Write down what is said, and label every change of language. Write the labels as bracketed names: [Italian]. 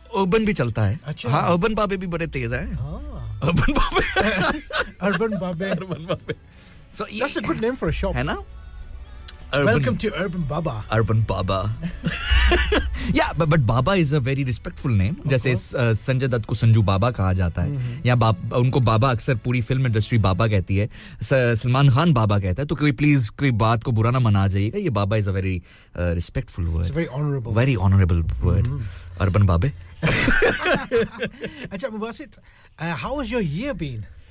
[Hindi] urban भी चलता है. अच्छा. हाँ urban बाबे भी बड़े तेज हैं. Urban बाबे. Urban बाबे. [English] So that's a good name for a shop, [Hindi] है ना? [English] Welcome to Urban Baba. Urban Baba. Yeah, but Baba is a very respectful name. [Hindi] जैसे संजय दत्त को संजू बाबा कहा जाता है. या उनको बाबा अक्सर पूरी फिल्म इंडस्ट्री बाबा कहती है. सलमान खान बाबा कहता है. तो कोई प्लीज कोई बात को बुरा ना मना जाइएगा. ये बाबा [English] is a very respectful word. It's a very honourable. Very honourable word. Urban Baba. अच्छा Mubasit, how has your year been?